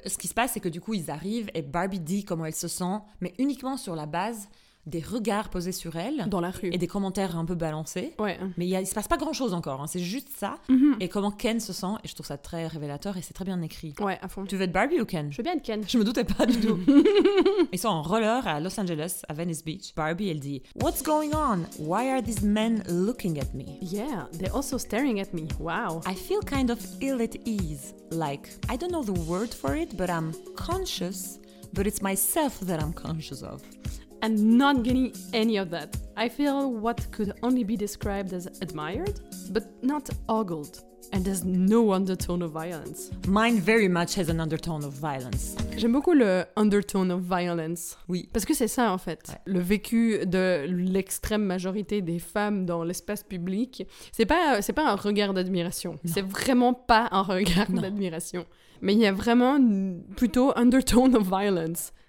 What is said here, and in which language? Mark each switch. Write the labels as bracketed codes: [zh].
[fr] Ce qui se passe, c'est que du coup, ils arrivent et Barbie dit comment elle se sent, mais uniquement sur la base des regards posés sur elle. Dans la rue. Et des commentaires un peu balancés. Ouais. Mais il se passe pas grand chose encore, hein. C'est juste ça. Mm-hmm. Et comment Ken se sent, et je trouve ça très révélateur et c'est très bien écrit. Ouais, à fond. Tu veux être Barbie ou Ken? Je veux bien être Ken. Je me doutais pas du tout. Ils sont en roller à Los Angeles, à Venice Beach. [en] Barbie, [fr] elle dit: [en] What's going on? Why are these men looking at me? Yeah, they're also staring at me. Wow. I feel kind of ill at ease. Like, I don't know the word for it, but I'm conscious, but it's myself that I'm conscious of. And not getting any of that. I feel what could only be described as admired, but not ogled. And there's no undertone of violence. Mine very much has an undertone of violence. [fr] J'aime beaucoup le [en] undertone of violence. [fr] Oui. Parce que c'est ça, en fait. Ouais. Le vécu de l'extrême majorité des femmes dans l'espace public, c'est pas un regard d'admiration. Non. C'est vraiment pas un regard d'admiration. Mais il y a vraiment plutôt [en] undertone of violence.